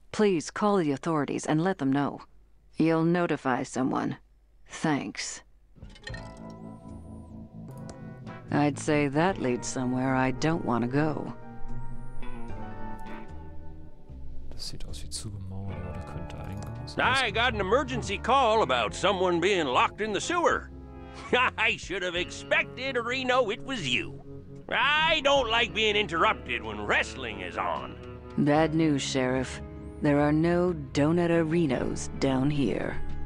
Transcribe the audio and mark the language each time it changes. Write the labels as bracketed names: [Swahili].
[English] Please call the authorities and let them know. You'll notify someone. Thanks. I'd say that leads somewhere I don't want to go. [German] Das sieht aus wie zugemauert, aber da könnte eingang sein. [English] I got an emergency call about someone being locked in the sewer. I should have expected, Reno, it was you. I don't like being interrupted when wrestling is on. Bad news, Sheriff. There are no donut arenos down here.